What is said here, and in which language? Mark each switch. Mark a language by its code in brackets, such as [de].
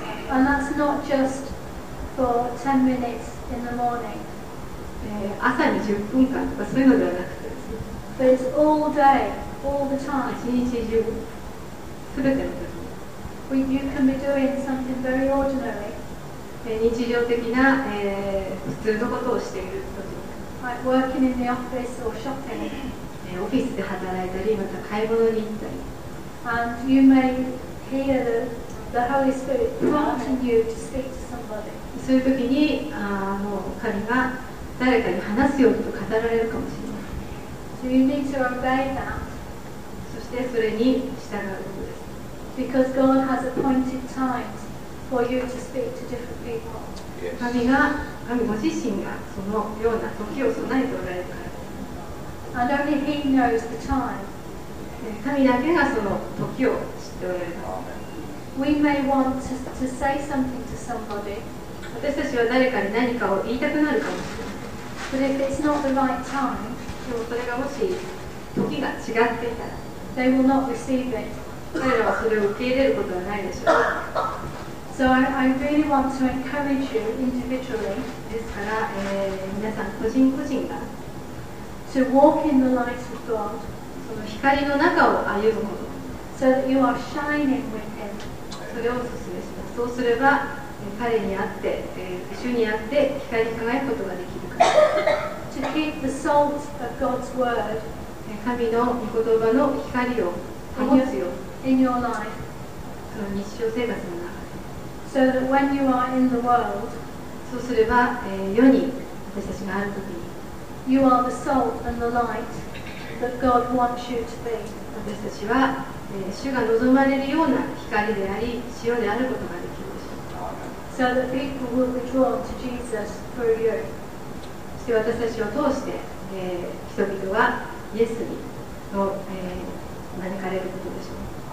[en] And that's not just for 10 minutes in the morning. [ja] 朝に10分間とかそういうのではなくてです [en] ね。But it's all day, all the time. [ja] 一日中、すべての時に。 [en] When you can be doing something very ordinary. [ja] 日常的な、普通のことをしている時、 [en] like、working in the office or shopping. [ja] オフィスで働いたり、また買い物に行ったり。 [en] And you may hear the Holy Spirit prompting you to speak to somebody. [ja] そういう時に、もう神が誰かに話すようにと語られるかもしれない。 [en] So you need to obey that. [ja] そしてそれに従うことです。 [en] Because God has appointed times. For you to speak to different people. [ja] 神ご自身がそのような時を備えておられるからです。 [en] And only he knows the time. [ja] 神だけがその時を知っておられる。 [en] We may want to say something to somebody. [ja] 私たちは誰かに何かを言いたくなるかもしれない。 [en] But if it's not the right time, [ja] でもそれがもし時が違っていたら、 [en] they will not receive it. [ja] 彼らはそれを受け入れることはないでしょう。 [en] So I really want to encourage you individually. [ja] ですから、皆さん個人個人が [en] to walk in the light of God. [ja] その光の中を歩むこと。 [en] So that you are shining with Him. [ja] それをお勧めします。そうすれば彼にあって、主にあって光り輝くことができるから。 [en] To keep the salt of God's word. [ja] 神の御言葉の光を保つよ。 [en] In your life. [ja] その日常生活の中。 [en] So that when you are in the world, [ja] そうすれば、世に私たちがあるときに [en] you are the salt and the light that God wants you to be. [ja] 私たちは、主が望まれるような光であり塩であることができるでしょう。 [en] So that people will be drawn to Jesus through you. [ja] そして私たちを通して、人々はイエスにと、招かれることでしょう。